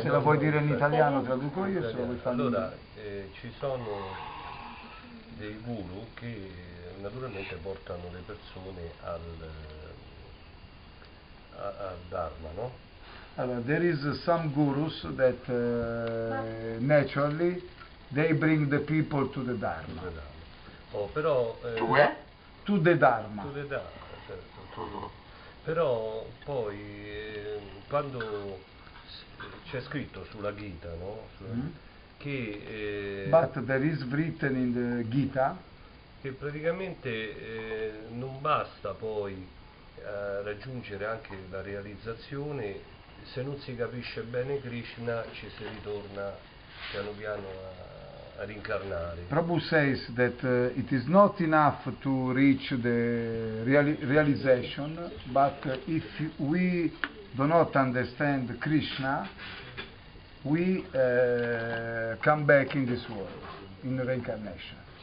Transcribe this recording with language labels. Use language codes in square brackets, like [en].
[it] Se la vuoi dire in italiano, traduco io, se lo vuoi fare. Allora, ci sono dei guru che naturalmente portano le persone al Dharma, no? [en] Allora, there is some gurus that naturally they bring the people to the Dharma. To the Dharma. Oh, però to where? To the Dharma. To the Dharma, certo. To the... [it] Però poi quando c'è scritto sulla Gita, no? Che [en] but there is written in the Gita [it] che praticamente non basta poi raggiungere anche la realizzazione. Se non si capisce bene Krishna, ci si ritorna piano piano a rincarnare. [en] Prabhu says that it is not enough to reach the realization, but if we do not understand Krishna, we come back in this world, in reincarnation.